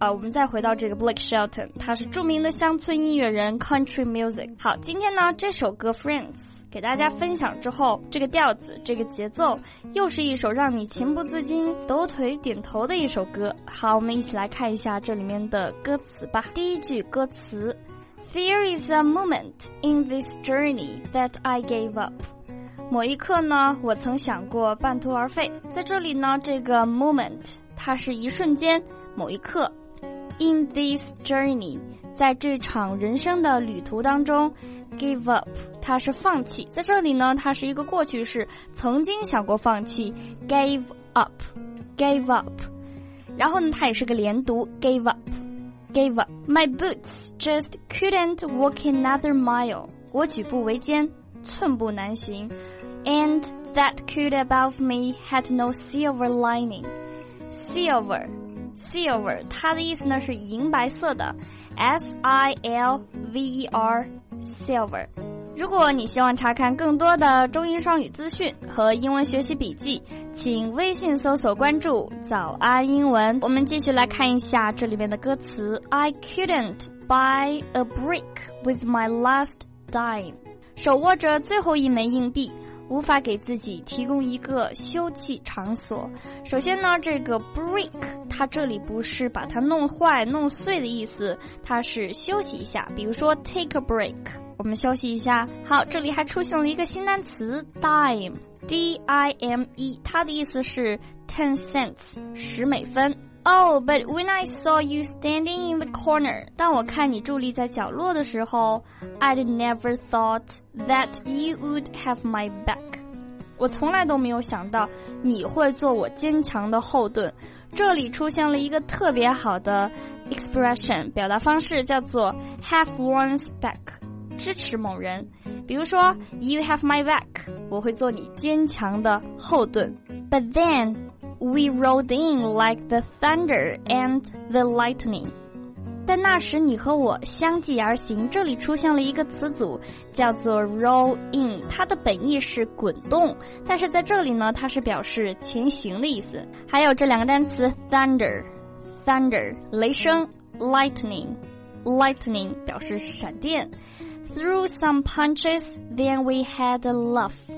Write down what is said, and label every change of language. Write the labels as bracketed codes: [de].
[zh] 我们再回到这个 Blake Shelton， 他是著名的乡村音乐人 Country Music。好，今天呢这首歌 Friends 给大家分享之后，这个调子这个节奏又是一首让你情不自禁抖腿点头的一首歌。好，我们一起来看一下这里面的歌词吧。第一句歌词， [en] There is a moment in this journey that I gave up. [zh] 某一刻呢，我曾想过半途而废。在这里呢，这个 moment 它是一瞬间，某一刻。 [en] In this journey， [zh] 在这场人生的旅途当中 ，give up 它是放弃。在这里呢，它是一个过去式，曾经想过放弃 ，gave up， gave up。然后呢，它也是个连读 ，gave up。 [en] Gave up. My boots just couldn't walk another mile. [zh] 我举步维艰，寸步难行。 [en] And that coat above me had no silver lining. [zh] Silver, silver, 它的意思呢是银白色的。 [en] S-I-L-V-E-R, silver. [zh] 如果你希望查看更多的中英双语资讯和英文学习笔记，请微信搜索关注早安英文。我们继续来看一下这里面的歌词。 [en] I couldn't buy a brick with my last dime. [zh] 手握着最后一枚硬币，无法给自己提供一个休憩场所。首先呢，这个 brick 它这里不是把它弄坏弄碎的意思，它是休息一下，比如说 take a break， 我们休息一下。好，这里还出现了一个新单词 dime， D-I-M-E， 它的意思是 10 cents， 十美分。 [en] Oh, but when I saw you standing in the corner， [zh] 当我看你伫立在角落的时候， [en] I'd never thought that you would have my back， [zh] 我从来都没有想到你会做我坚强的后盾。这里出现了一个特别好的 expression 表达方式，叫做 have one's back， 支持某人。比如说 [en] You have my back， [zh] 我会做你坚强的后盾。 [en] But then we rolled in like the thunder and the lightning， [zh] 但那时你和我相继而行。这里出现了一个词组叫做 roll in， 它的本意是滚动，但是在这里呢它是表示前行的意思。还有这两个单词 thunder， thunder 雷声， lightning， lightning 表示闪电。 [en] Threw some punches, then we had a laugh.